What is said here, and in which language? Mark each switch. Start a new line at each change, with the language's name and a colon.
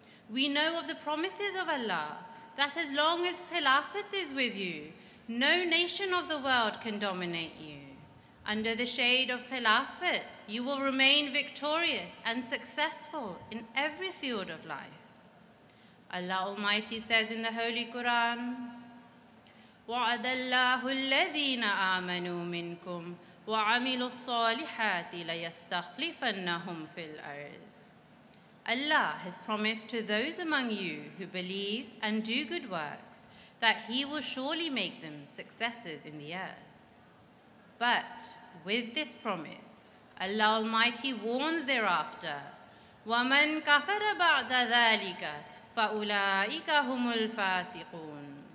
English: We know of the promises of Allah that as long as Khilafat is with you, no nation of the world can dominate you. Under the shade of Khilafat, you will remain victorious and successful in every field of life. Allah Almighty says in the Holy Quran,
Arabic: وَعَدَ اللَّهُ الَّذِينَ آمَنُوا مِنْكُمْ وَعَمِلُوا الصَّالِحَاتِ لَيَسْتَخْلِفَنَّهُمْ فِي الْأَرْضِ.
English: Allah has promised to those among you who believe and do good works that He will surely make them successes in the earth. But with this promise, Allah Almighty warns thereafter,
Arabic: وَمَنْ كَفَرَ بَعْدَ ذَٰلِكَ فَأُولَٰئِكَ هُمُ الْفَاسِقُونَ.